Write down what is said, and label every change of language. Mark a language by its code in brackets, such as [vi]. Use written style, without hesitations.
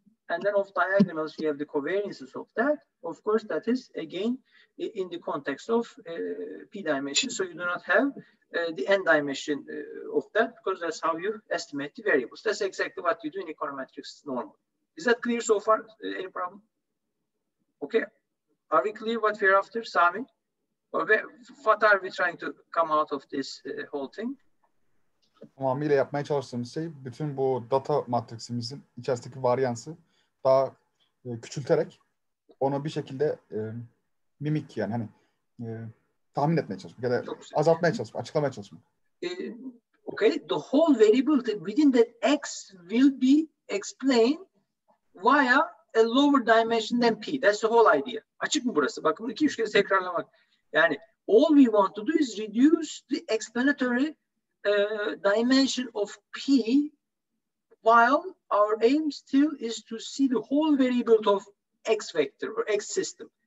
[en] And then of diagonals, we have the covariances of that. Of course, that is, again, in the context of P dimension, so you do not have the n dimension of that, because that's how you estimate the variables. That's exactly what you do in econometrics normally. Is that clear so far? Any problem? Okay. Are we clear what we're after, Sami? What are we trying to come out of this whole thing? [tr] Tamamıyla yapmaya çalıştığım şey, bütün bu data matrisimizin içerisindeki varyansı daha küçülterek onu bir şekilde mimik, yani hani tahmin etmeye çalışmak ya da azaltmaya çalışmak, açıklamaya çalışmak. [en] Okay, the whole variability within that X will be explained via a lower dimension than P. That's the whole idea. [tr] Açık mı burası? Bakın iki üç kez tekrarlamak. Yani [en] all we want to do is reduce the explanatory dimension of P while our aim still is to see the whole variability of X vector or X system.